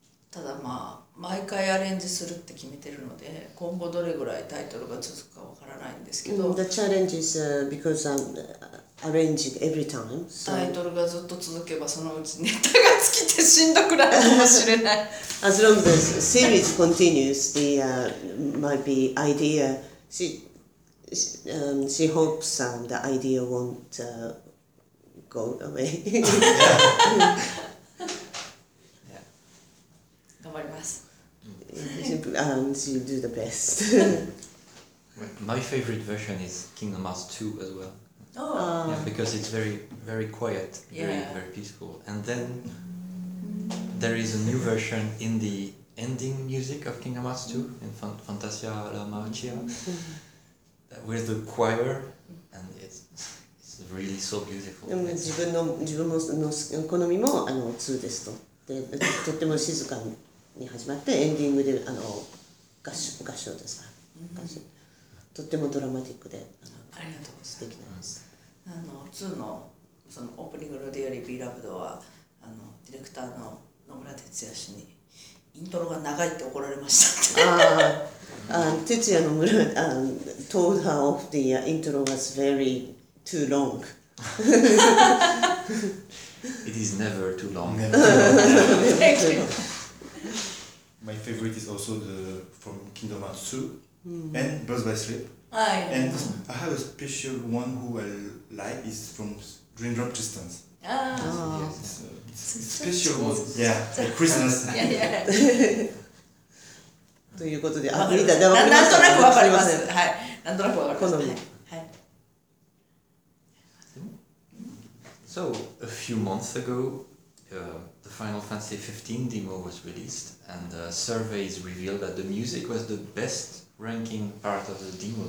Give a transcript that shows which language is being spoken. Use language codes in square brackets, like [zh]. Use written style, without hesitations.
[ja] ただまあ毎回アレンジするって決めてるので、今後どれぐらいタイトルが続くかわからないんですけど。 [en] The challenge is because I'm arranging every time. So... タイトルがずっと続けばそのうちネタが尽きてしんどくなるかもしれない。 As long as the series continues, the might be idea. She hopes the idea won't go away. Yeah. Yeah. She'll do the best. My favorite version is Kingdom Hearts 2 as well. Oh. Yeah, because it's very, very quiet, very, very peaceful. And then there is a new version in the ending music of Kingdom Hearts 2 in Fantasia La Marchia. With the choir, and it's really so beautiful. [ja] でも自分の好みも2ですと。で、とっても静かに始まって、エンディングで合唱ですか。とってもドラマティックで、ありがとうございます。素敵なんです。 2の、そのオープニングのDearly Beloved は、ディレクターの野村哲也氏に、イントロが長いって怒られましたって。 [en] Tetsuya Nomura told her of the intro was very too long. It is never too long. Thank you. My favorite is also the from Kingdom Hearts 2 and Birds by Sleep. Aye. And I have a special one who I like is from Dream Drop Distance. It's special one. Yeah, like Christmas. Yeah. [ja] ということで、あ、リーダーでは分かります。なんとなく分かります。はい。なんとなく分かります。好み。はい。 [en] So, a few months ago, the Final Fantasy XV demo was released, and surveys revealed that the music was the best ranking part of the demo.